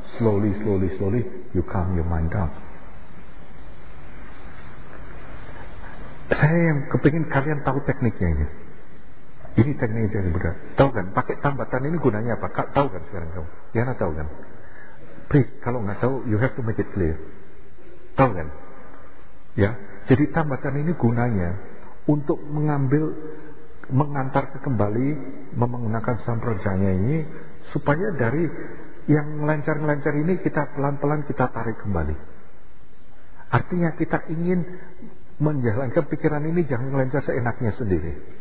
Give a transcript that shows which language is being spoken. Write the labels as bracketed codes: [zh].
[en] Slowly, you calm your mind down. [id] Saya yang kepingin kalian tahu tekniknya ini. Ini teknik yang benar. Tahu kan? Pakai tambatan ini gunanya apa? Tahu kan sekarang kamu? Yana tahu kan? [en] Please, [id] kalau nggak tahu, [en] you have to make it clear. [id] Tahu kan? Ya. Jadi tambatan ini gunanya untuk mengambil, mengantar ke kembali, menggunakan samprajanya ini, supaya dari yang lancar-lancar ini kita pelan-pelan kita tarik kembali. Artinya kita ingin menjalankan pikiran ini jangan lancar seenaknya sendiri.